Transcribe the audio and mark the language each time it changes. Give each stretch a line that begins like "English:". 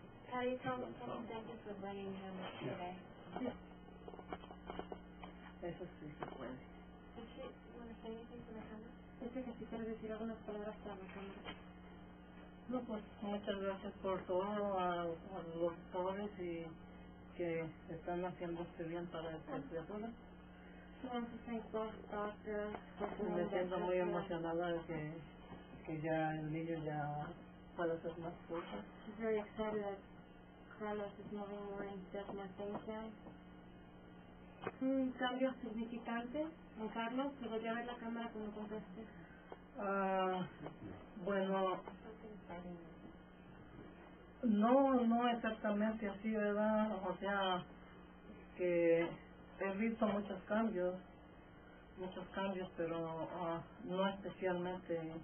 English: Patty, tell me what the dentist was bringing him today.
Spanish: Yeah. Eso sí, se fue.
English: Does she want to say anything to the camera?
Spanish: Es que quisiera decir algunas palabras para la cámara. No, pues muchas gracias por todo a los doctores y que están haciendo este bien para esta criatura. Me siento muy emocionada de que ya el niño ya pueda hacer más cosas.
English: I'm very excited that Carlos is moving more in definitive.
Spanish: Un cambio significante en Carlos, ¿se podría ver la cámara cuando conteste? Bueno, no exactamente así, ¿verdad? O sea, que he visto muchos cambios, pero no especialmente.